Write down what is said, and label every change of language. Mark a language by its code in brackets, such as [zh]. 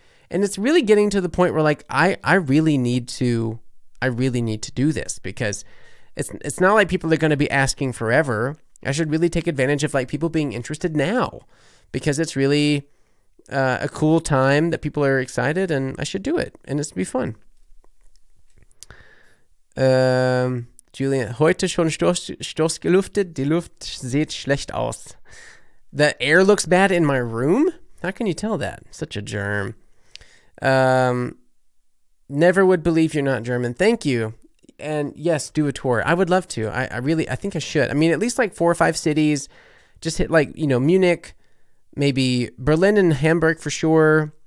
[en] And it's really getting to the point where like, I really need to do this because it's not like people are going to be asking forever. I should really take advantage of like people being interested now because it's really a cool time that people are excited and I should do it and it's be fun. [de] Julian, heute schon Stoß gelüftet, die Luft sieht schlecht aus. [en] The air looks bad in my room? How can you tell that? Such a germ. Never would believe you're not German. Thank you. And yes, do a tour. I would love to. I think I should. I mean, at least like 4 or 5 cities. Just hit like, you know, Munich, maybe Berlin and Hamburg for sure.